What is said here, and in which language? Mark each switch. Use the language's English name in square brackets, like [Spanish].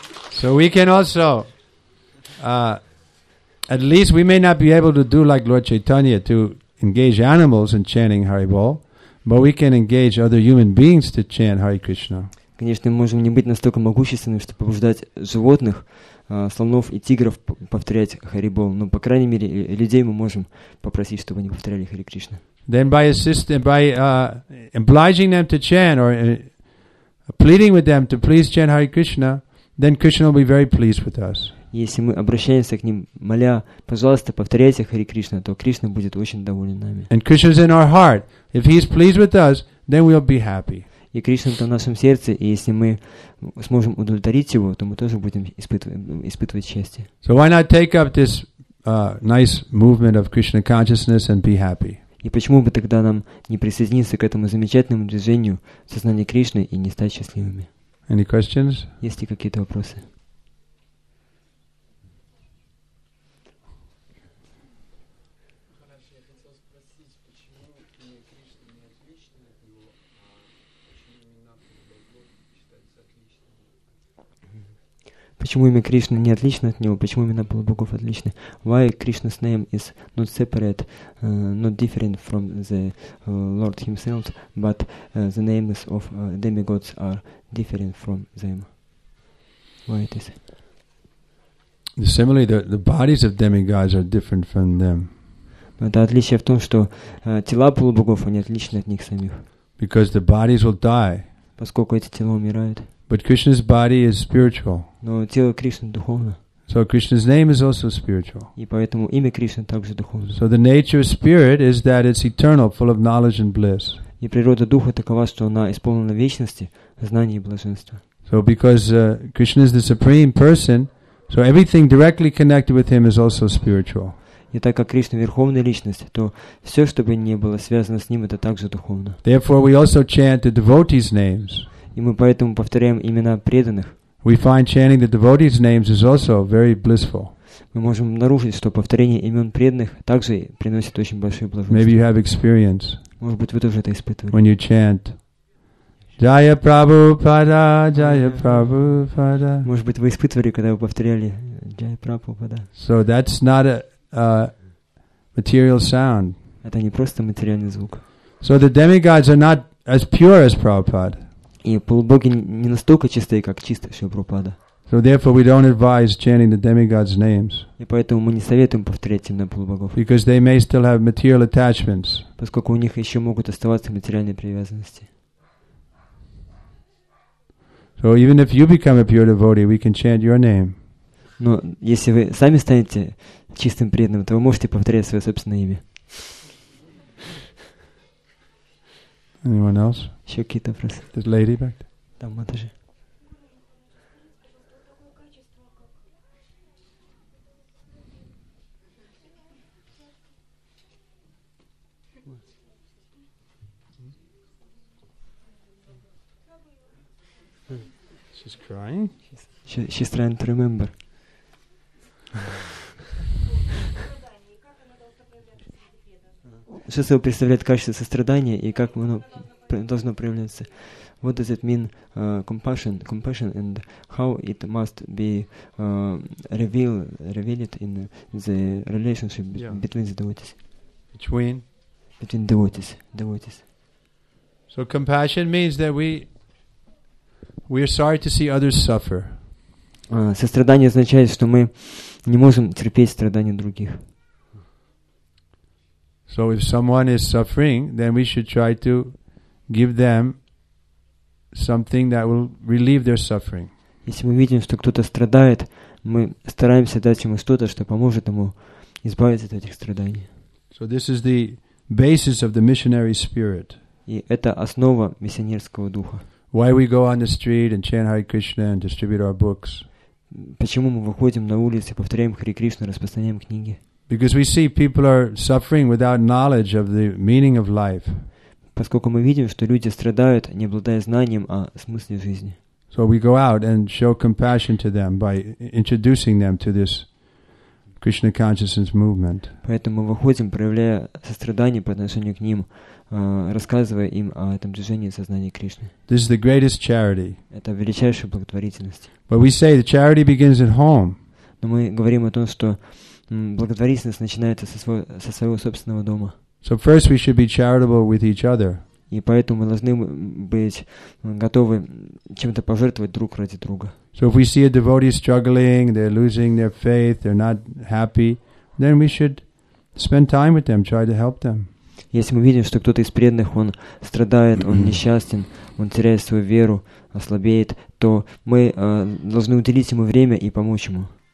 [English] So we can also at least we may not be able to do like Lord Chaitanya to engage animals in chanting Haribol, but we can engage other human beings to chant Hare Krishna. [Russian] Конечно, мы можем не быть настолько могущественными, чтобы побуждать животных, слонов и тигров повторять Харибол, но по крайней мере людей мы можем попросить, чтобы они повторяли Хари Кришна. [English] Then by assisting, by obliging them to chant or pleading with them to please chant Hare Krishna, then Krishna will be very pleased with us. [Russian] Если мы обращаемся к ним, моля, пожалуйста, повторяйте Хари Кришна, то Кришна будет очень доволен нами. [English] And Krishna is in our heart. If He is pleased with us, then we'll be happy. [Russian] И Кришна в нашем сердце, и если мы сможем удовлетворить Его, то мы тоже будем испытывать счастье. [English] So why not take up this nice movement of Krishna consciousness and be happy? [Russian] И почему бы тогда нам не присоединиться к этому замечательному движению сознания Кришны и не стать счастливыми? [English] Any questions? [Russian] Есть ли какие-то вопросы? Почему имя Кришна не отлично от него? Почему имена полубогов отличны? [English] Why Krishna's name is not separate, not different from the Lord himself, but the names of demigods are different from them? Why it is? Similarly, the bodies of demigods are different from them. [Russian] Это отличие в том, что тела полубогов, они отличны от них самих. [English] Because the bodies will die. [Russian] Поскольку эти тела умирают. [English] But Krishna's body is spiritual. [Russian] Но тело Кришны духовно. [English] So Krishna's name is also spiritual. [Russian] И поэтому имя Кришны также духовно. [English] So the nature of spirit is that it's eternal, full of knowledge and bliss. [Russian] И природа духа такова, что она исполнена вечности, знания и блаженства. [English] So because Krishna is the supreme person, so everything directly connected with him is also spiritual. [Russian] И так как Кришна верховная личность, то все, что бы ни было связано с ним, это также духовно. [English] Therefore, we also chant the devotees' names. [Russian] И мы поэтому повторяем имена преданных. [English] We find chanting the devotees' names is also very blissful. [Russian] Мы можем обнаружить, что повторение имен преданных также приносит очень большое блаженство. [English] Maybe you have experience. [Russian] Может быть, вы тоже это испытывали. [English] When you chant, Jaya Prabhupada, Jaya Prabhupada. [Russian] Может быть, вы испытывали, когда вы повторяли Jaya Prabhupada. [English] So that's not a material sound. [Russian] Это не просто материальный звук. [English] So the demigods are not as pure as Prabhupada. [Russian] И полубоги не настолько чистые, как чистый Шрила Прабхупада. [English] So therefore we don't advise chanting the demigods' names. [Russian] И поэтому мы не советуем повторять имена полубогов. [English] Because they may still have material attachments. [Russian] Поскольку у них еще могут оставаться материальные привязанности. [English] So even if you become a pure devotee, we can chant your name. [Russian] Но если вы сами станете чистым преданным, то вы можете повторять свое собственное имя. [English] Anyone else? [Russian] Еще какие-то вопросы? [English] This lady back there. [Russian] Там она же. [English] She's crying. She's trying to remember. [Russian] Что собой представляет качество сострадания и как оно должно проявляться? [English] What does it mean compassion? Compassion and how it must be revealed in the relationship between the devotees? Between devotees. So compassion means that we are sorry to see others suffer. [Russian] Сострадание означает, что мы не можем терпеть страдания других. [English] So if someone is suffering, then we should try to give them something that will relieve their suffering. [Russian] Если мы видим, что кто-то страдает, мы стараемся дать ему что-то, что поможет ему избавиться от этих страданий. [English] So this is the basis of the missionary spirit. [Russian] И это основа миссионерского духа. [English] Why we go on the street and chant Hare Krishna and distribute our books? [Russian] Почему мы выходим на улицы, повторяем Хари Кришну, распространяем книги? [English] Because we see people are suffering without knowledge of the meaning of life. [Russian] Поскольку мы видим, что люди страдают, не обладая знанием о смысле жизни. [English] So we go out and show compassion to them by introducing them to this Krishna consciousness movement. [Russian] Поэтому мы выходим, проявляя сострадание по отношению к ним, рассказывая им о этом движении сознания Кришны. [English] This is the greatest charity. [Russian] Это величайшая благотворительность. [English] But we say the charity begins at home. [Russian] Но мы говорим о том, что благотворительность начинается со своего собственного дома. [English] So first we should be charitable with each other. [Russian] И поэтому мы должны быть готовы чем-то пожертвовать друг ради друга. [English] So if we see a devotee struggling, they're losing their faith, they're not happy, then we should spend time with them, try to help them. [Russian] Если мы видим, что кто-то из преданных, он страдает, он несчастен, он теряет свою веру, ослабеет, то мы должны уделить ему время и помочь ему.